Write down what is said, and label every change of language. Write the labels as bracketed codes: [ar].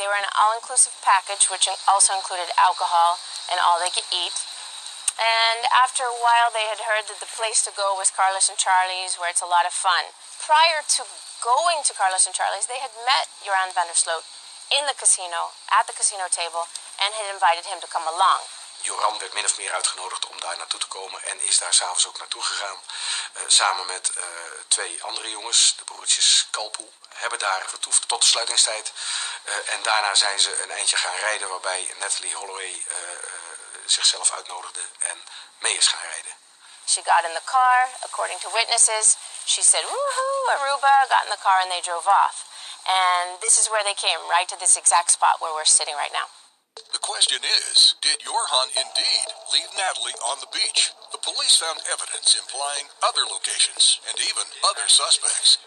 [en] They were in an all-inclusive package, which also included alcohol and all they could eat. And after a while, they had heard that the place to go was Carlos and Charlie's, where it's a lot of fun. Prior to going to Carlos and Charlie's, they had met Joran Vandersloot in the casino, at the casino table, and had invited him to come along. [nl] Joran werd min of meer uitgenodigd om daar naartoe te komen en is daar s'avonds ook naartoe gegaan. Samen met twee andere jongens, de broertjes Kalpoe, hebben daar vertoefd tot de sluitingstijd. En daarna zijn ze een eindje gaan rijden waarbij Natalie Holloway zichzelf uitnodigde en mee is gaan rijden. [en] She got in the car, according to witnesses. She said, woohoo, Aruba, got in the car and they drove off. And this is where they came, right to this exact spot where we're sitting right now. The question is, did Johan indeed leave Natalie on the beach? The police found evidence implying other locations and even other suspects.